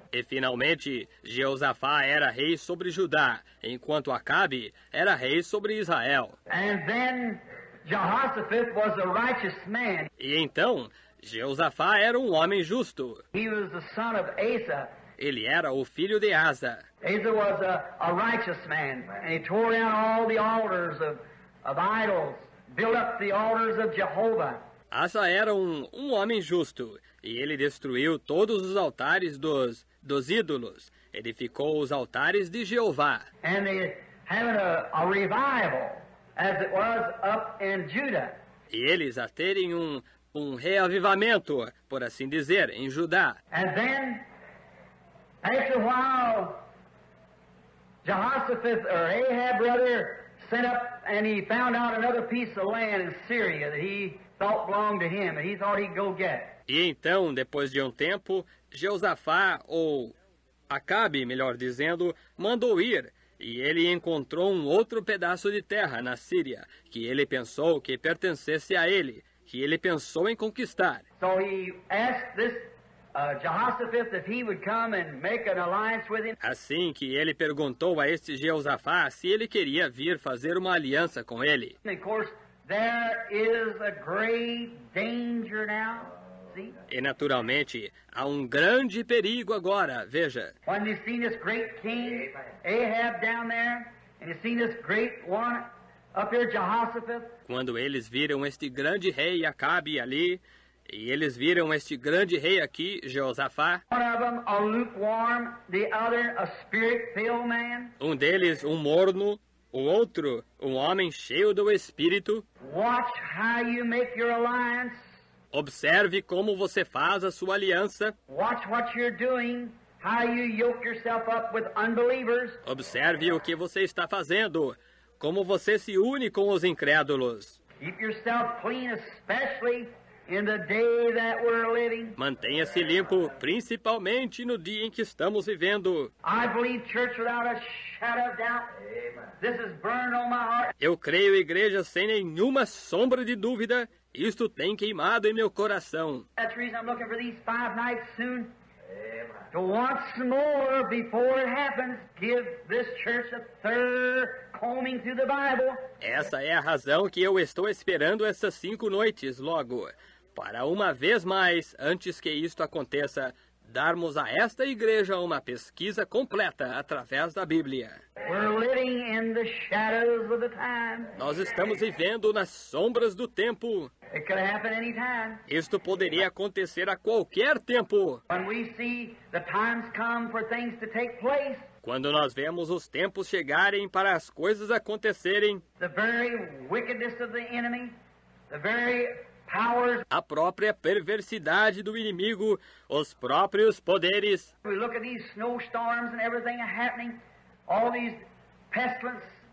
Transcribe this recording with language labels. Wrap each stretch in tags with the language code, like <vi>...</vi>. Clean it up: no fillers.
<pt>E finalmente, Jeosafá era rei sobre Judá, enquanto Acabe era rei sobre Israel.</pt> <en>And then Jehoshaphat was a righteous man.</en> <pt>E então, Jeosafá era um homem justo.</pt> <en>He was the son of Asa.</en> <pt>Ele era o filho de Asa.</pt> <en>Asa was a righteous man, and he tore down all the altars of idols, built up the altars of Jehovah.</en> <pt>Asa era um homem justo, e ele destruiu todos os altares dos ídolos. Edificou os altares de Jeová.</pt> <en>And they had a revival, as it was up in Judah.</en> <pt>E eles a terem um reavivamento, por assim dizer, em Judá.</pt> <en>And then, after a while, Jehoshaphat, or Ahab, rather, sent up, and he found out another piece of land in Syria that he thought belonged to him, and he thought he'd go get.</en> <pt>E então, depois de um tempo, Jeosafá, ou Acabe, melhor dizendo, mandou ir, e ele encontrou um outro pedaço de terra na Síria, que ele pensou que pertencesse a ele, que ele pensou em conquistar.</pt> <en>So he asked this Jehoshaphat if he would come and make an alliance with him.</en> <pt>Assim que ele perguntou a este Jeosafá se ele queria vir fazer uma aliança com ele.</pt> <en>And of course, there is a great danger now.</en> <pt>E naturalmente, há um grande perigo agora, veja.</pt> <en>When you see this great king Ahab down there, and you see this great one up here, Jehoshaphat.</en> <pt>Quando eles viram este grande rei Acabe ali, e eles viram este grande rei aqui, Jeosafá.</pt> <en>One of them a lukewarm, the other a spirit-filled man.</en> <pt>Um deles um morno, o outro um homem cheio do Espírito.</pt> <en>Watch how you make your alliance.</en> <pt>Observe como você faz a sua aliança.</pt> <en>Watch what you're doing, how you yoke yourself up with unbelievers.</en> <pt>Observe o que você está fazendo, como você se une com os incrédulos.</pt> <en>Keep yourself clean, especially in the day that we're living.</en> <pt>Mantenha-se limpo, principalmente no dia em que estamos vivendo.</pt> <en>I believe church without a shadow of doubt. This is burned on my heart.</en> <pt>Eu creio, igreja, sem nenhuma sombra de dúvida. Isto tem queimado em meu coração.</pt> <en>That's the reason I'm looking for these five nights soon. To once more, before it happens, give this church a third combing through the Bible.</en> <pt>Essa é a razão que eu estou esperando essas cinco noites logo. Para uma vez mais, antes que isto aconteça, darmos a esta igreja uma pesquisa completa através da Bíblia.</pt> <en>We're living in the shadows of the time.</en> <pt>Nós estamos vivendo nas sombras do tempo.</pt> <en>It could happen anytime.</en> <pt>Isto poderia acontecer a qualquer tempo.</pt> <en>When we see the times come for things to take place.</en> <pt>Quando nós vemos os tempos chegarem para as coisas acontecerem.</pt> <en>The very wickedness of the enemy, the very powers.</en> <pt>A própria perversidade do inimigo, os próprios poderes.</pt> <en>We look at these snowstorms and everything happening, all these pestilence.</en>